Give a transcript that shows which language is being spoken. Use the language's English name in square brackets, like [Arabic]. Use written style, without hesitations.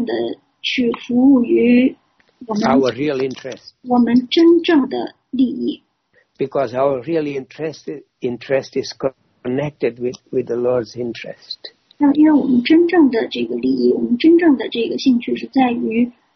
[Chinese] 那么所以说呢，当我们在这个以自私为目的而活动的时候，无论是以自我为中心的这种自私，还是以自我延展为目的的这种自私，其实都没有真正的去服务于我们。 [English] Our real interest. [Chinese] 我们真正的利益。 [English] Because our real interest is connected with the Lord's interest. [Chinese] 那么因为我们真正的这个利益，我们真正的这个兴趣是在于。